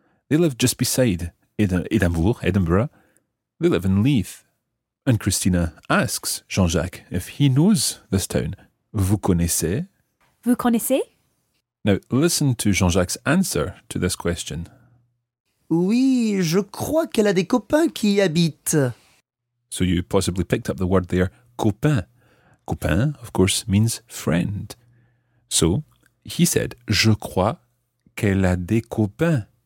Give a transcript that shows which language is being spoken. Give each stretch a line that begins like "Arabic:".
English: They live just beside Edinburgh. They live in Leith. And Christina asks Jean-Jacques if he knows this town.
French: Vous connaissez? Vous connaissez?
English: Now, listen to Jean-Jacques' answer to this question.
French: Oui, je crois qu'elle a des copains qui y habitent.
English: So you possibly picked up the word there, copain. Copain, of course, means friend. So, he said,
French: je crois qu'elle a des copains.